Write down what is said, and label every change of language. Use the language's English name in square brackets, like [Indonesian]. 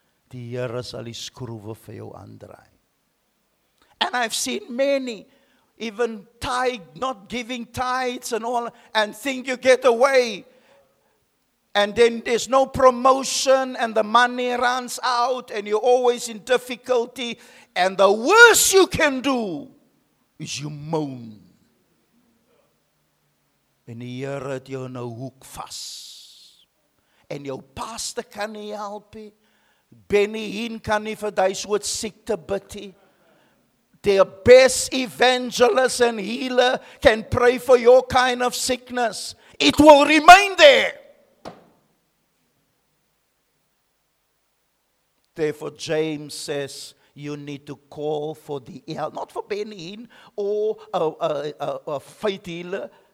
[Afrikaans] Die Here sal die skroewe vir jou aandraai. [English] And I've seen many, even tithe, not giving tithes and all, and think you get away. And then there's no promotion, and the money runs out, and you're always in difficulty. And the worst you can do is you moan. [Afrikaans] En die Here het jou in 'n hoek vas. [English] And your pastor can [Afrikaans] nie [English] help you. [Afrikaans] Benny Hinn kan nie vir daai soort siekte bid nie. [English] Their best evangelist and healer can pray for your kind of sickness. It will remain there. Therefore, James says, you need to call for the help, not for Benny Hinn or a faith healer.